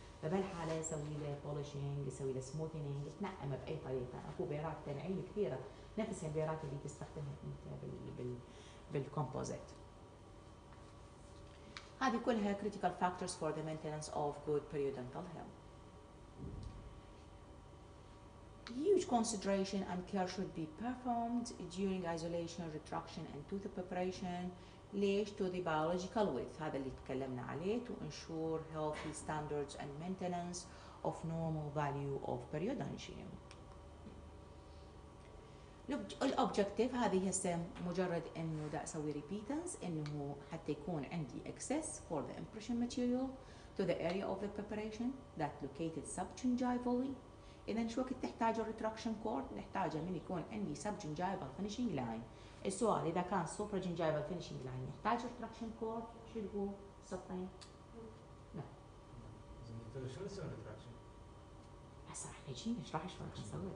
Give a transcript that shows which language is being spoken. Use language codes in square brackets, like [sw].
[ar] فبالحاله يسوي له بولشينج, يسوي له سموثنينج, تنقمه باي طريقه. اكو بيرات تنعيم كثيره نفس البيرات اللي تستخدمها انت بالكومبوزيت. هذه كلها [en] Critical factors for the maintenance of good periodontal health. Huge consideration and care should be performed during isolation, retraction and tooth preparation. Leash to the biological width, [ar] هذا اللي تكلمنا عليه, [en] to ensure healthy standards and maintenance of normal value of periodontium. الobjective [ar] هذه هسه مجرد انه دا اسوي [en] repeatance, [ar] انه حتى يكون عندي [en] access for the impression material to the area of the preparation that located subgingivally. [ar] إذا شو وقت تحتاج الريتراكشن كورد؟ نحتاجه من يكون عندي [en] Subgingival finishing line. [ar] السؤال إذا كان [en] super gingival finishing line [ar] يحتاج ريتراكشن كورد, شو هو؟ سطين؟ لا. زين شو نسوي ريتراكشن؟ هسه راح نجي نشرح شلون نسوي.